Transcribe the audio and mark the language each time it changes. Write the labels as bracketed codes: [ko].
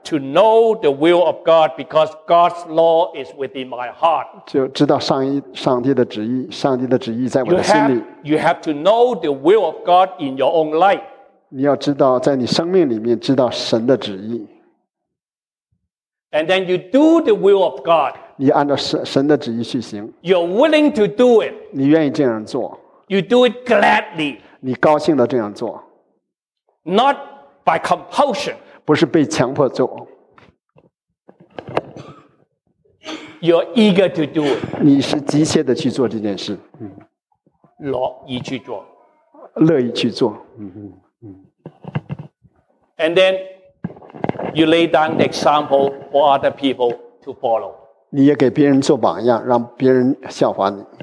[en] To know the will of God because God's law is within my heart. [zh] 就知道上帝的旨意在我的心里。 [en] You have to know the will of God in your own life. [zh] 你要知道在你生命里面知道神的旨意。 [en] And then you do the will of God. [zh] 你按照神的旨意去行。 [en] You're willing to do it. [zh] 你愿意这样做。 [en] You do it gladly. [zh] 你高兴地这样做。 [en] Not by compulsion. [zh] 不是被强迫做。 [en] You're eager to do it. [zh] 你是急切地去做这件事。乐意去做。乐意去做。 [en] And then you lay down the example for other people to follow. [zh] 你也给别人做榜样， 让别人效法你。